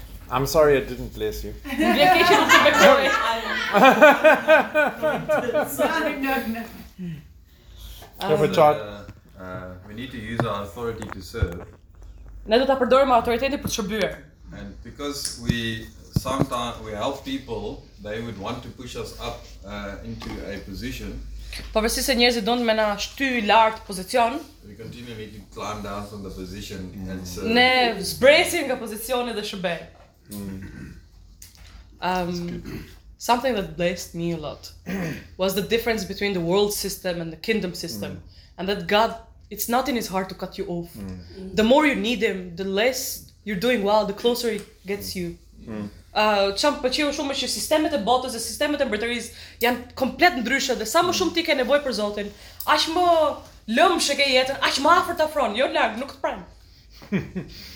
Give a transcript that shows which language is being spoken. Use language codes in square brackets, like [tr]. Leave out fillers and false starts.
[en] I'm sorry I didn't bless you. We need to use our authority to serve. [sq] Ne do ta përdorim autoritetin për të shërbyer. [en] And because we sometimes we help people, they would want to push us up into a position. [sq] Pavarësisht se njerëzit don me na shtyj lart pozicion. [en] We continue to climb down from the position and serve. [sq] Ne zbresim nga pozicioni dhe shërbejmë. [en] Something that blessed me a lot was the difference between the world system and the kingdom system, and that God, it's not in his heart to cut you off. The more you need him, the less you're doing well, the closer he gets you. [sq] Çam pëlqeu shumë që sistemet e botës dhe sistemet e mbretërisë janë komplet ndryshe, dhe sa më shumë ti ke nevojë për Zotin, aq më lëmshë ke jetën, aq më afër të afron, jo larg, nuk të pran.